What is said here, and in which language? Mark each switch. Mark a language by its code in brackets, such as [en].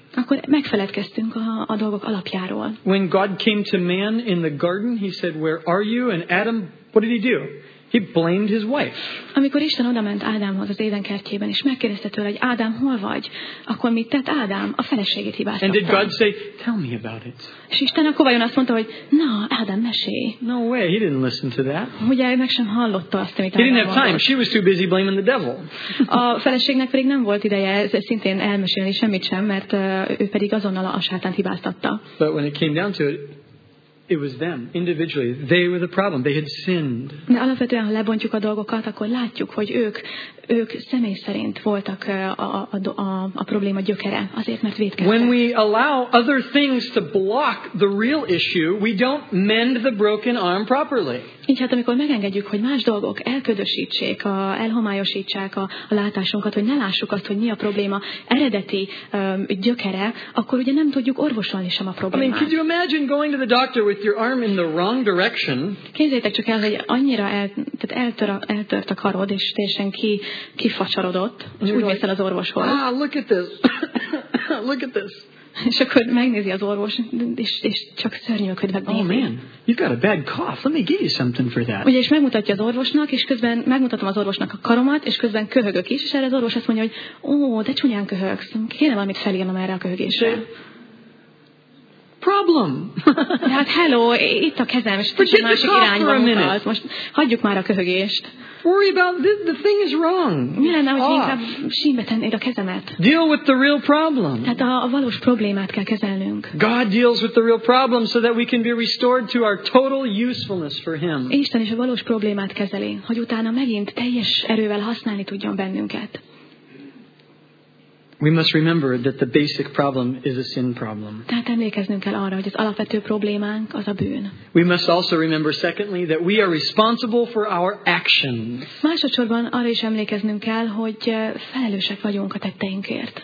[hu] Akkor megfeledkeztünk a dolgok alapjáról. [en] When God came to man in the garden, he said, "Where are you?" And Adam, what did he do? He blamed his wife. [hu] Amikor Isten odament Ádámhoz az Éden kertjében, és megkérdezte tőle, hogy Ádám, hol vagy? Akkor mit tett Ádám? A feleségét hibáztatta. [en] And did God say, "Tell me about it"? [hu] És Isten akkor vajon azt mondta, hogy na, Ádám, mesélj. [en] No way, he didn't listen to that. [hu] Ugye ő meg sem hallotta azt, amit [en] Ádám. He didn't have time. She was too busy blaming the devil. [hu] A feleségnek pedig nem volt ideje szintén elmesélni semmit sem, mert ő pedig azonnal a sátánt hibáztatta. [en] But when it came down to it, it was them individually. They were the problem. They had sinned. [hu] De alapvetően, ha lebontjuk a dolgokat, akkor látjuk, hogy ők személy szerint voltak a probléma gyökere, azért mert vétkeztek. [en] When we allow other things to block the real issue, we don't mend the broken arm properly. [hu] Így hát, amikor megengedjük, hogy más dolgok elködösítsék, elhomályosítsák a látásunkat, hogy ne lássuk azt, hogy mi a probléma eredeti gyökere, akkor ugye nem tudjuk orvosolni sem a problémát. [en] I mean, could you imagine going to the doctor with your arm in the wrong direction? [hu] Képzeljétek csak el, hogy annyira eltört a karod, és teljesen kifacsarodott, és úgy mész el az orvoshoz. [en] Ah, look at this. Look at this. [hu] És akkor megnézi az orvos, és csak szörnyűködve nézi. [en] Oh man, you've got a bad cough. Let me give you something for that. [hu] Ugye, és megmutatja az orvosnak, és közben megmutatom az orvosnak a karomat, és közben köhögök is, és erre az orvos azt mondja, hogy ó, de csúnyán köhögsz. Kéne valamit felírnom erre a köhögésre. [en] problem. [hu] Hát, hello, itt a kezem, és kicsit másik irányba mutat. Most hagyjuk már a köhögést. [en] Worry about the thing is wrong. [hu] Mi lenne, hogy inkább sínbe tennéd a kezemet? [en] Deal with the real problem. [hu] Tehát a valós problémát kell kezelnünk. [en] God deals with the real problem so that we can be restored to our total usefulness for Him. [hu] Isten is a valós problémát kezeli, hogy utána megint teljes erővel használni tudjon bennünket. [en] We must remember that the basic problem is a sin problem. [hu] Tehát emlékeznünk kell arra, hogy az alapvető problémánk az a bűn. [en] We must also remember, secondly, that we are responsible for our actions. [hu] Másodszorban arra is emlékeznünk kell, hogy felelősek vagyunk a tetteinkért.